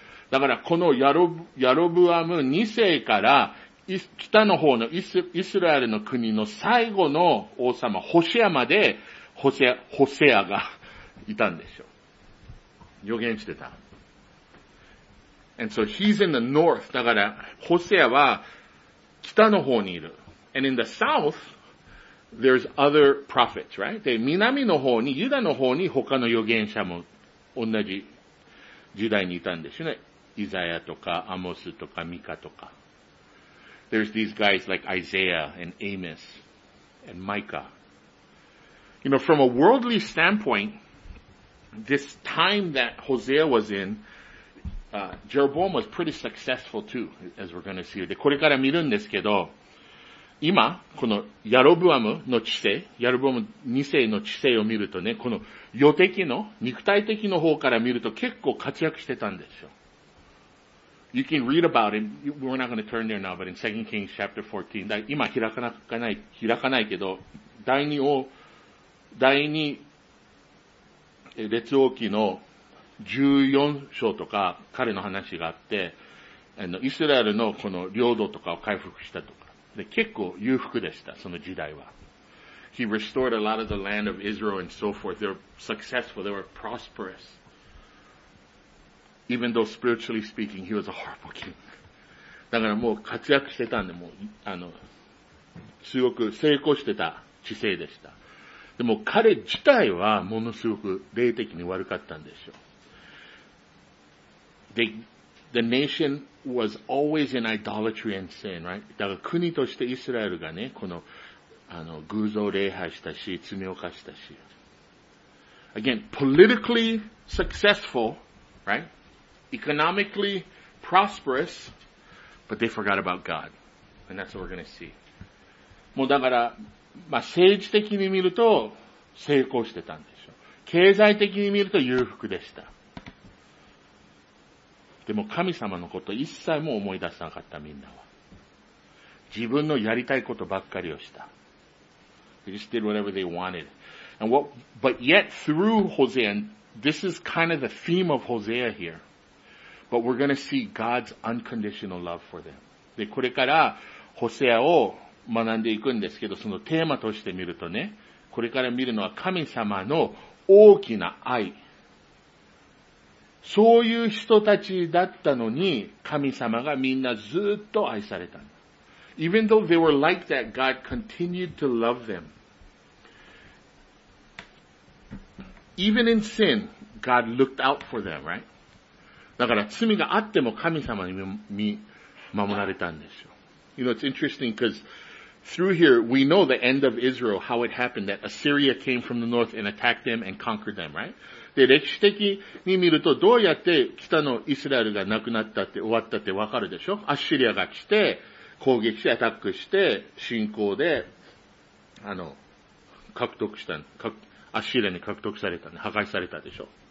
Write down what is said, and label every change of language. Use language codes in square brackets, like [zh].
[ja] だから、このヤロブアム2世から、北の方のイスラエルの国の最後の王様、ホシアまで、ホセアがいたんでしょう。予言してた。 [en] And so he's in the north. [ja] だから、ホセアは北の方にいる。 [en] And in the south, there's other prophets, right? [ja] で、南の方に、ユダの方に他の預言者も同じ時代にいたんですよね。イザヤとかアモスとかミカとか。 [en] There's these guys like Isaiah and Amos and Micah. You know, from a worldly standpoint, this time that Hosea was in, Jeroboam was pretty successful too, as we're going to see. [ja] で、これから見るんですけど、今、このヤロブアムの治世、ヤロブアム2世の治世を見るとね、この世的の、肉体的の方から見ると結構活躍してたんですよ。 [en] You can read about him. We're not going to turn there now, but in 2 Kings chapter 14, [ja] 今開かないけど、第二列王記の14章とか、彼の話があって、イスラエルのこの領土とかを回復したとか。で、結構裕福でした、その時代は。 [en] He restored a lot of the land of Israel and so forth. They were successful. They were prosperous. Even though spiritually speaking, he was a horrible king. [ja] だからもう活躍してたんで、もう、すごく成功してた知性でした。でも彼自体はものすごく霊的に悪かったんでしょう。 [en] The nation was always in idolatry and sin, right? [ja] だから国としてイスラエルがね、この、偶像礼拝したし、罪を犯したし。 [en] Again, politically successful, right? Economically prosperous, but they forgot about God. And that's what we're going to see. [ja] もうだから、まあ、政治的に見ると成功してたんでしょう。経済的に見ると裕福でした。でも神様のこと一切も思い出さなかったみんなは。自分のやりたいことばっかりをした。 [en] They just did whatever they wanted. And but yet through Hosea, and this is kind of the theme of Hosea here. But we're going to see God's unconditional love for them. [ja] で、これから、ホセアを学んでいくんですけど、そのテーマとして見るとね、これから見るのは神様の大きな愛。そういう人たちだったのに、神様がみんなずっと愛された。 [en] Even though they were like that, God continued to love them. Even in sin, God looked out for them, right? [ja] だから罪があっても神様に守られたんですよ。 [en] You know, it's interesting because through here we know the end of Israel, how it happened that Assyria came from the north and attacked them and conquered them, right? [ja] で、歴史的に見るとどうやって北のイスラエルが亡くなったって終わったってわかるでしょ？アッシリアが来て攻撃してアタックして侵攻で獲得したの。アッシリアに獲得されたの。破壊されたでしょ？